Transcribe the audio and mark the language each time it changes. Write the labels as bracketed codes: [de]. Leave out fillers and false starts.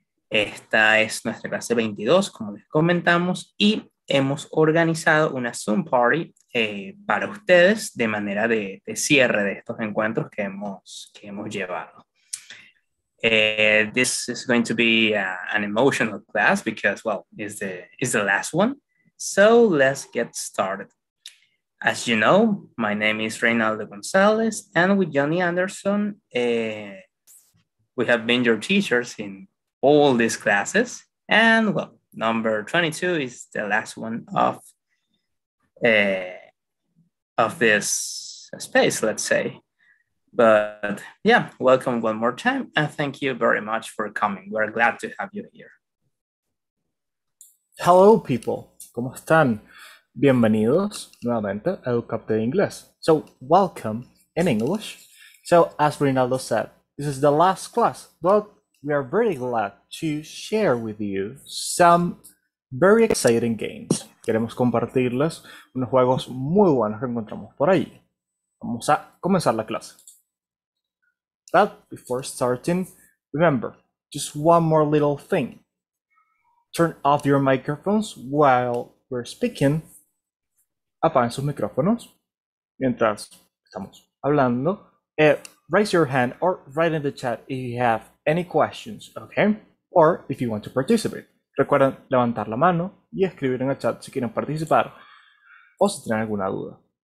[es] Esta es nuestra clase 22, como les comentamos, y hemos organizado una Zoom party para ustedes de manera de cierre de estos encuentros que hemos llevado. [en] This is going to be an emotional class because, well, it's the last one. So let's get started. As you know, my name is Reinaldo González, and with Jhonny Anderson, we have been your teachers in all these classes, and well, number 22 is the last one of of this space, let's say. But yeah, welcome one more time, and thank you very much for coming. We're glad to have you here. Hello, people. [es] ¿Cómo están? Bienvenidos nuevamente a Educab de Inglés. [en] So, welcome in English. So, as Reinaldo said, this is the last class, but we are very glad to share with you some very exciting games. [es] Queremos compartirles unos juegos muy buenos que encontramos por ahí. Vamos a comenzar la clase. [en] But before starting, remember, just one more little thing. Turn off your microphones while we're speaking. [es] Apaguen sus micrófonos mientras estamos hablando. [en] Raise your hand or write in the chat if you have any questions, okay? Or if you want to participate. [es] Recuerden levantar la mano y escribir en el chat si quieren participar o si tienen alguna duda.